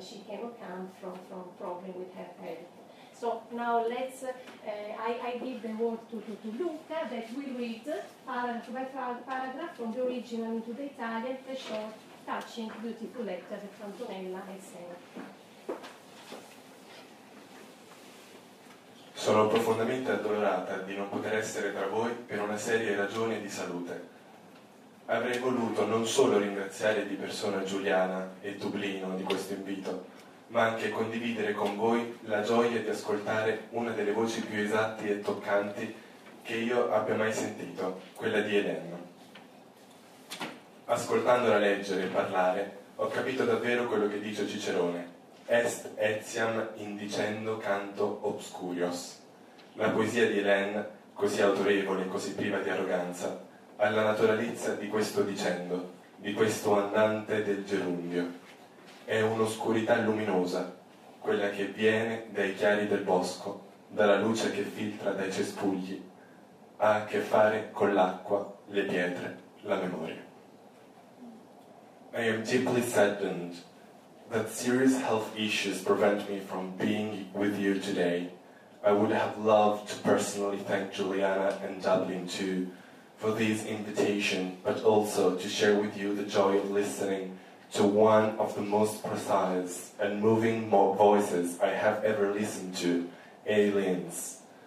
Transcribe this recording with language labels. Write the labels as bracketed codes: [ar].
[en] She cannot come from problem with her health. So now let's, I give the word to Luca, that will read paragraph from the original into the Italian, the short, touching, beautiful letter that Antonella has sent. [it] Sono profondamente addolorata di non poter essere tra voi per una serie di ragioni di salute. Avrei voluto non solo ringraziare di persona Giuliana e Dublino di questo invito, ma anche condividere con voi la gioia di ascoltare una delle voci più esatte e toccanti che io abbia mai sentito, quella di Elena. Ascoltandola leggere e parlare, ho capito davvero quello che dice Cicerone. [la] Est etiam indicendo canto obscurios. [it] La poesia di Hélène, così autorevole e così priva di arroganza, ha la naturalezza di questo dicendo, di questo andante del gerundio. È un'oscurità luminosa, quella che viene dai chiari del bosco, dalla luce che filtra dai cespugli. Ha a che fare con l'acqua, le pietre, la memoria. [en] I am deeply saddened that serious health issues prevent me from being with you today. I would have loved to personally thank Giuliana and Dublin too for this invitation, but also to share with you the joy of listening to one of the most precise and moving voices I have ever listened to, Aileen's.